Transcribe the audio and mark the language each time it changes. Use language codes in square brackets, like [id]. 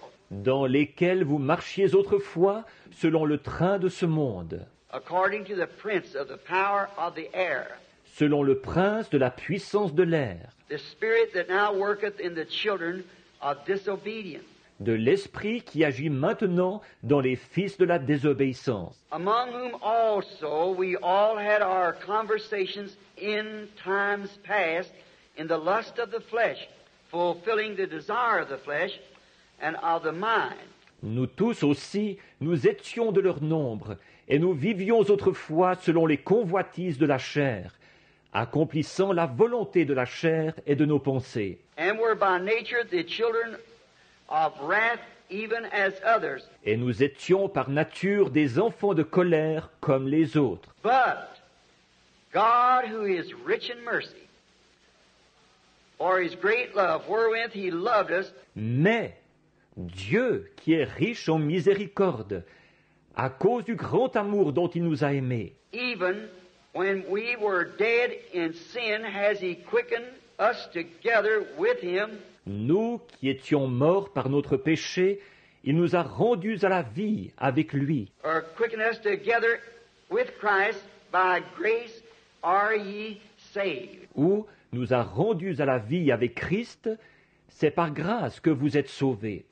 [fr] Dans lesquels vous marchiez autrefois selon le train de ce monde. [en] According to the prince of the power of the air. [fr] Selon le prince de la puissance de l'air. [en] The spirit that now worketh in the children of disobedience. [fr] De l'esprit qui agit maintenant dans les fils de la désobéissance. [en] Among whom also we all had our conversations in times past in the lust of the flesh, fulfilling the desire of the flesh and of the mind. [fr] Nous tous aussi, nous étions de leur nombre et nous vivions autrefois selon les convoitises de la chair, accomplissant la volonté de la chair et de nos pensées. [en] And were by nature the children of wrath, even as others. [fr] Et nous étions par nature des enfants de colère comme les autres. [en] But God, who is rich in mercy, for his great love, wherewith he loved us. [fr] Mais Dieu, qui est riche en miséricorde, à cause du grand amour dont il nous a aimés. [en] Even when we were dead in sin, has he quickened us together with him. [fr] Nous qui étions morts par notre péché, il nous a rendus à la vie avec lui. [en] Or quicken us together with Christ, by grace are ye saved. [fr] Ou nous a rendus à la vie avec Christ, c'est par grâce que vous êtes sauvés.